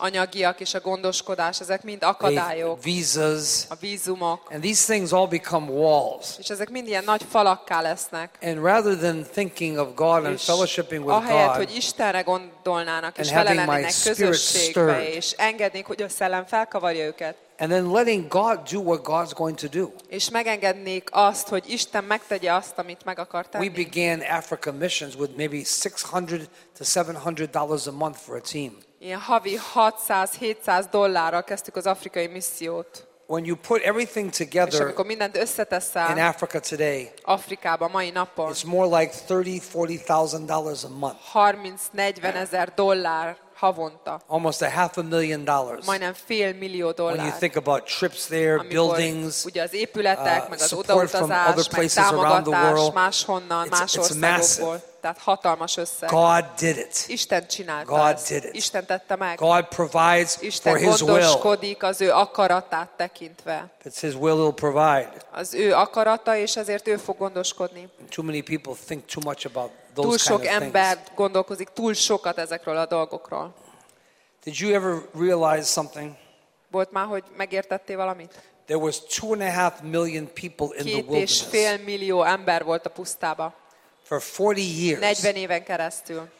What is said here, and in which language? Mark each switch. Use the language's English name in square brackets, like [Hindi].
[Hungarian] Anyagiak és a gondoskodás, ezek mind akadályok. [English] Visas. [Hungarian] A vízumok. [English] And these things all become walls. [Hungarian] És ezek mind ilyen nagy falakká lesznek. [English] And rather than thinking of God and fellowshipping with God. [Hungarian] Ahelyett, hogy Istenre gondolnának és vele lennének közösségbe, és engednék, hogy a szellem felkavarja őket. [English] And then letting God do what God's going to do. [Hungarian] És megengednék azt, hogy Isten megtegye azt, amit meg akar tenni. [English] We began Africa missions with maybe $600 to $700 a month for a team. [Hungarian] Ilyen havi 600-700 dollárra kezdtük az afrikai missziót. [English] When you put everything together, [Hungarian] és amikor mindent összeteszel, [English] in Africa today, [Hungarian] Afrikában mai napon, [English] it's more like $30,000-$40,000 a month. [Hungarian] 30-40 ezer dollár. Havonta. [English] Almost a $500,000. [Hungarian] Majdnem fél millió dollár. [English] When you think about trips there, [Hungarian] amikor [English] buildings, [Hungarian] ugye az épületek, meg az [English] support [Hungarian] odautazás, [English] from other places around the world, [Hungarian] máshonnan, más országokból. Tehát hatalmas összeg. [English] God did it. [Hungarian] Isten csinálta. [English] God did it. [Hungarian] Isten tette meg. [English] God provides [Hungarian] Isten [English] for his will. [Hungarian] Isten gondoskodik az ő akaratát tekintve. [English] It's his will he'll provide. [Hungarian] Az ő akarata, és ezért ő fog gondoskodni. [English] Too many people think too much about those kind of things. [Hungarian] Túl sok ember gondolkozik túl sokat ezekről a dolgokról. [English] Did you ever realize something? [Hungarian] Volt már, hogy megértettél valamit? [English] There was 2.5 million people in the wilderness. [Hungarian] 2.5 millió ember volt a pusztában. [English] For 40 years. [Hungarian] 40 éven keresztül.